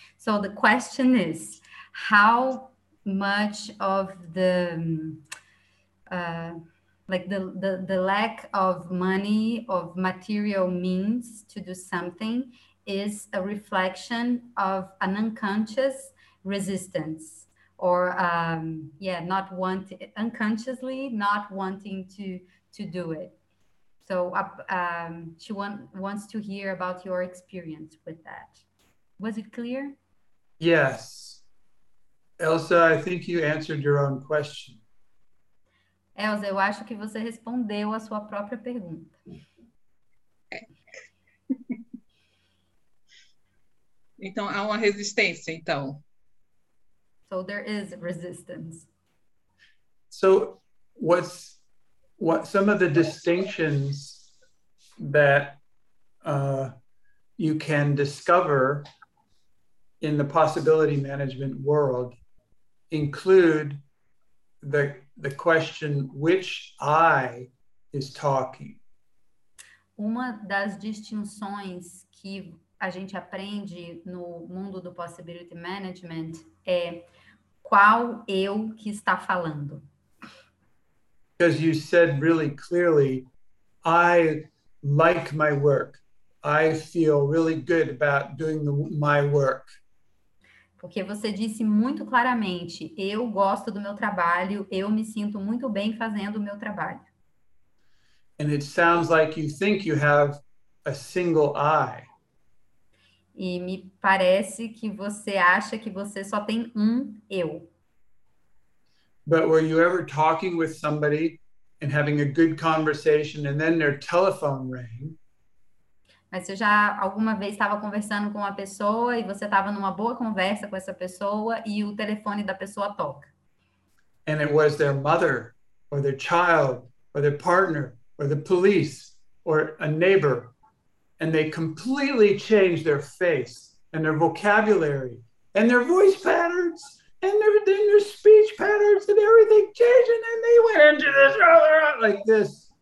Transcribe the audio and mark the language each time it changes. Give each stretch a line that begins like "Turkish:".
English: So the question is, how much of the lack of money, of material means to do something is a reflection of an unconscious resistance or not wanting, unconsciously not wanting to do it. So she wants to hear about your experience with that. Was it clear? Yes. Elsa, I think you answered your own question.
Portuguese: Elza, eu acho que você respondeu a sua própria pergunta. Então, há uma resistência, então.
English: So there is resistance. So, what some of the distinctions that you can discover in the possibility management world include the question which I is talking.
Portuguese: Uma das distinções que a gente aprende no mundo do possibility management é qual eu que está falando.
English: Because you said really clearly, I like my work. I feel really good about doing my work.
Portuguese: Porque você disse muito claramente, eu gosto do meu trabalho, eu me sinto muito bem fazendo o meu trabalho.
English: And it sounds like you think you have a single eye.
Portuguese: E me parece que você acha que você só tem um eu.
English: But were you ever talking with somebody and having a good conversation, and then their telephone rang?
Portuguese: Mas você já alguma vez estava conversando com uma pessoa e você estava numa boa conversa com essa pessoa e o telefone da pessoa toca.
English: And it was their mother, or their child, or their partner, or the police, or a neighbor. And they completely changed their face, and their vocabulary, and their voice patterns, and their speech patterns, and everything changed, and then they went into this other, like this.